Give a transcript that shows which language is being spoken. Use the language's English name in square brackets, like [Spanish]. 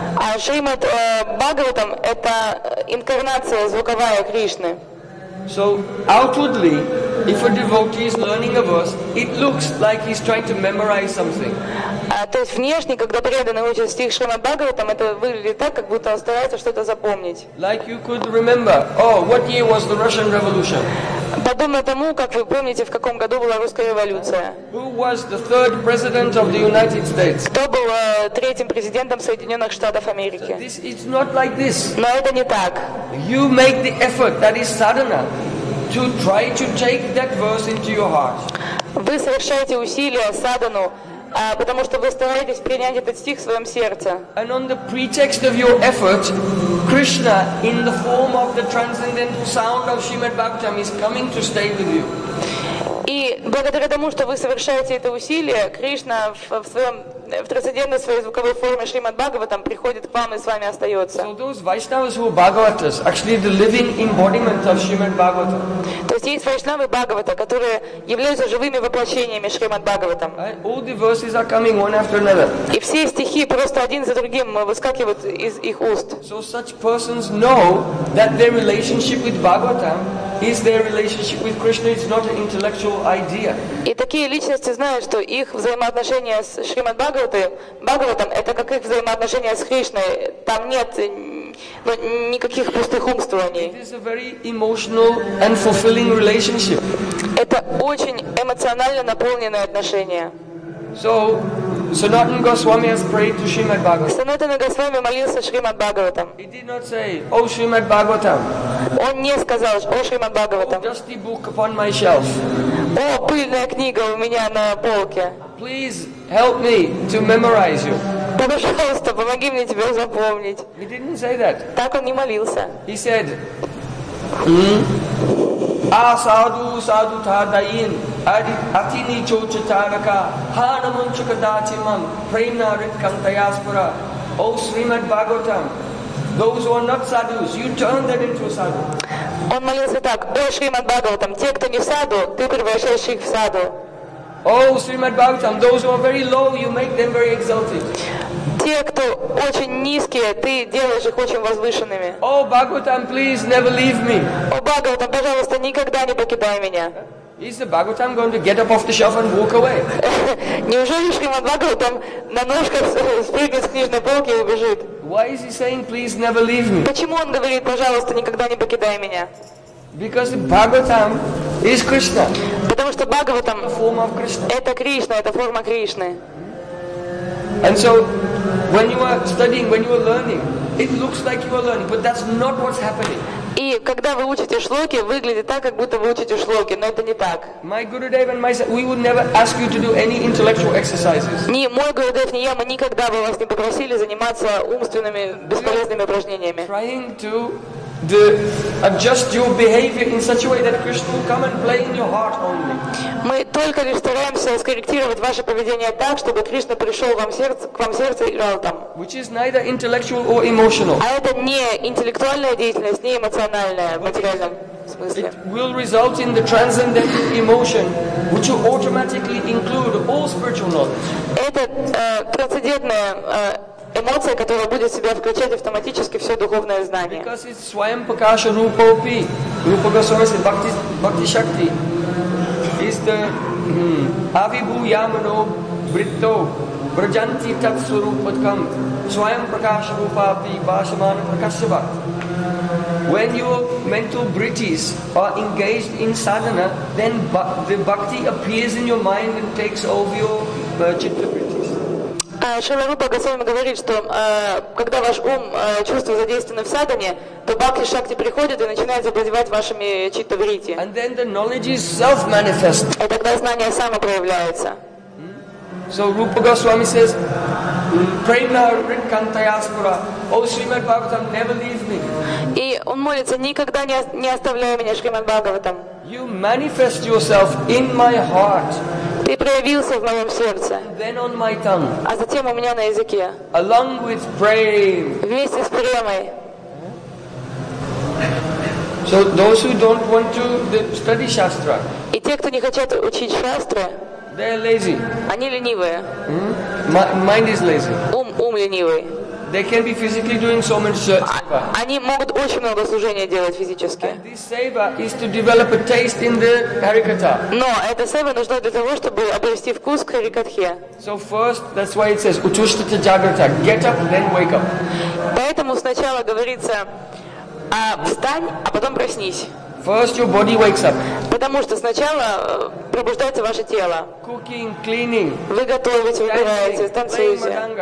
[Russian] А Шримад Бхагаватам это инкарнация звуковая Кришны. [English] So outwardly, if a devotee is learning a verse, it looks like he's trying to memorize something. [Russian] То есть внешне, когда преданный учит стих Шримад Бхагаватам, это выглядит так, как будто он старается что-то запомнить. [English] Like you could remember, oh, what year was the Russian Revolution? [Russian] Подобно тому, как вы помните, в каком году была русская революция. [English] Who was the third president of the United States? [Russian] Кто был третьим президентом Соединенных Штатов Америки? [English] So this is not like this. [Russian] Но это не так. [English] You make the effort, that is sadhana, to try to take that verse into your heart. [Russian] Вы совершаете усилия садхану, потому что вы стараетесь принять этот стих в своем сердце. [English] And on the pretext of your effort, Krishna, in the form of the transcendental sound of Srimad Bhagavatam, is coming to stay with you. [Russian] И благодаря тому, что вы совершаете это усилие, Кришна в трансцендентной своей звуковой форме Шримад Бхагаватам приходит к вам и с вами остается. [English] So those Vaishnavas who are Bhagavatas, actually the living embodiment of Srimad Bhagavatam. [Russian] То есть есть Вайшнавы Бхагавата, которые являются живыми воплощениями Шримад Бхагаватам. [English] All the verses are coming one after another. [Russian] И все стихи просто один за другим выскакивают из их уст. [English] So such persons know that their relationship with Bhagavatam is their relationship with Krishna, it's not an intellectual idea. [Russian] И такие личности знают, что их взаимоотношения с Шримад Бхагаватам это как их взаимоотношения с Кришной. Там нет никаких пустых умствований. [English] It is a very emotional and fulfilling relationship. [Russian] Это очень эмоционально наполненные отношения. [English] So Sanatana Goswami has prayed to Srimad Bhagavatam. [Russian] Sanatana Goswami молился Шримад Бхагаватам. [English] He did not say, [Russian] "О Шримад Бхагаватам." Он не сказал, "О Шримад Бхагаватам." [English] Dusty book upon my shelf. [Russian] О, пыльная книга у меня на полке. [English] Please help me to memorize you. [Russian] пожалуйста, помоги мне тебя запомнить. [English] He didn't say that. [Russian] Так он не молился. [English] He said, [Sanskrit] Асаду, саду, тадаин, атини чочатанака, ханамунчака датимам, прейна риткам таяспара, о Сримад Бхагаватам. [English] Those who are not sadhus, you turn that into a sadhu. [Russian] Он молился так, о Шримад Бхагаватам, те, кто не саду, ты превращаешь их в саду. [English] Oh, Srimad Bhagavatam, those who are very low, you make them very exalted. [Russian] Те, кто очень низкие, ты делаешь их очень возвышенными. [English] Oh, Bhagavatam, please never leave me. [Russian] О, Бхагаватам, пожалуйста, никогда не покидай меня. [English] Is the Bhagavatam going to get up off the shelf and walk away? [Russian] Неужели Шримад Бхагаватам на ножках спрыгнет с книжной полки и убежит? [English] Why is he saying, please never leave me? [Russian] Почему он говорит, пожалуйста, никогда не покидай меня? [English] Because Bhagavatam is Krishna. [Russian] Потому что Бхагаватам это Кришна, это форма Кришны. [English] And so, when you are studying, when you are learning, it looks like you are learning, but that's not what's happening. [Russian] И когда вы учите шлоки, выглядит так, как будто вы учите шлоки, но это не так. [English] My Gurudev and myself, we would never ask you to do any intellectual exercises. [Russian] Ни мой Гурудев, ни я, мы никогда бы вас не попросили заниматься умственными бесполезными упражнениями. [English] Trying to the adjust your behavior in such a way that Krishna will come and play in your heart only. [Russian] Мы только лишь стараемся скорректировать ваше поведение так, чтобы Кришна пришел к вам сердце и играл там. [English] Which is neither intellectual or emotional. [Russian] А это не интеллектуальная деятельность, не эмоциональная, в материальном смысле. [English] It will result in the transcendental emotion, which will automatically include all spiritual knowledge. [Russian] Это трансцендентная эмоция, которая будет в себя включать автоматически все духовное знание. [English] Because it's [Sanskrit] Swayam Prakasha Rupa Upi, Rupa Goswami, Bhakti Shakti, is the Avibhu Yamano Britto, Vrajanti Tatsurupatkam, Swayam Prakasha Rupa Upi, Bhashamana Prakashava. [English] When your mental britis are engaged in sadhana, then the bhakti appears in your mind and takes over your chitta britti. [Russian] Шрила Рупа Госвами говорит, что когда ваш ум, чувства задействованы в садхане, то бхакти шакти приходит и начинает завладевать вашими читта вритти. [English] And then the knowledge is self-manifest. [Russian] И тогда знание само проявляется. [English] So Rupa Goswami says, [Sanskrit] Prema Ritkantayaspura, [English] O Srimad Bhagavatam, never leave me. [Russian] И он молится, никогда не оставляй меня, Шримад Бхагаватам. [English] You manifest yourself in my heart. [Russian] Ты проявился в моем сердце. [English] Then on my tongue. [Russian] А затем у меня на языке. [English] Along with Prem. [Russian] Вместе с Премой. [English] So those who don't want to study Shastra. [Russian] И те, кто не хотят учить Шастры. [English] They're lazy. [Russian] Они ленивые. [English] Mind is lazy. [Russian] Ум ленивый. [English] They can be physically doing so much seva. [Russian] Они могут очень много служения делать физически. [English] And this seva is to develop a taste in the Harikatha. [Russian] Но эта сева нужна для того, чтобы обрести вкус к Харикатхе. [English] So first, that's why it says [Sanskrit] Utushtita Jagrata. [English] Get up, then wake up. [Russian] Поэтому сначала говорится, встань, а потом проснись. [English] First your body wakes up. [Russian] Потому что сначала пробуждается ваше тело. [English] Cooking, cleaning. [Russian] Вы готовите, убираете, танцуете.